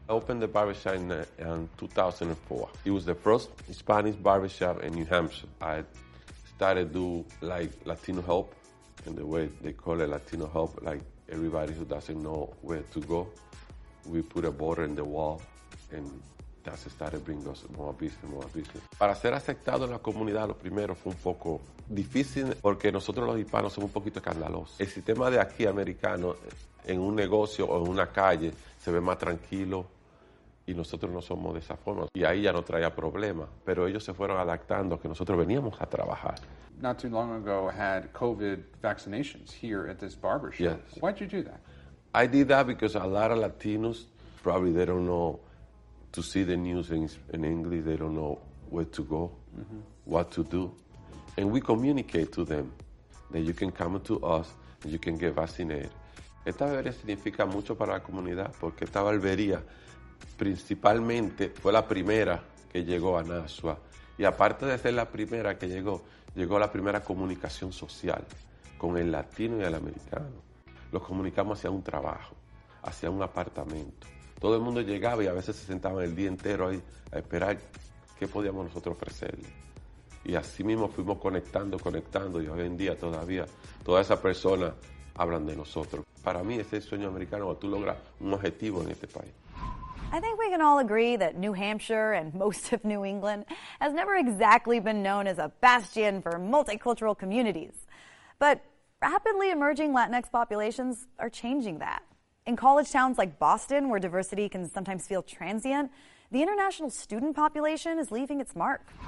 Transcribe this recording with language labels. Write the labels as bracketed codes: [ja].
[en] I opened the barbershop in 2004. It was the first Spanish barbershop in New Hampshire. I started do like Latino help, and the way they call it Latino help, like everybody who doesn't know where to go, we put a border in the wall, and that started bringing us more business. [es] Para ser aceptado en la comunidad, lo primero fue un poco difícil porque nosotros los hispanos somos un poquito escandalosos. El sistema de aquí americano en un negocio o en una calle se ve más tranquilo y nosotros no somos de esa forma. Y ahí ya no traía problemas, pero ellos se fueron adaptando que nosotros veníamos a trabajar. [en] Not too long ago had COVID vaccinations here at this barbershop. Yes. Why did you do that? I did that because a lot of Latinos probably they don't know to see the news in English, they don't know where to go, what to do. And we communicate to them that you can come to us, and you can get vaccinated. [es] Esta barbería significa mucho para la comunidad porque esta barbería principalmente fue la primera que llegó a Nashua. Y aparte de ser la primera que llegó, llegó la primera comunicación social. con el latino y el americano. Los comunicamos hacia un trabajo, hacia un apartamento. Todo el mundo llegaba y a veces se sentaban el día entero ahí a esperar qué podíamos nosotros ofrecerle. Y así mismo fuimos conectando y hoy en día todavía todas esas personas hablan de nosotros. Para mí ese es el sueño americano, tú logras un objetivo en este país. [en] I think we can all agree that New Hampshire and most of New England has never exactly been known as a bastion for multicultural communities. But rapidly emerging Latinx populations are changing that. In college towns like Boston, where diversity can sometimes feel transient, the international student population is leaving its mark.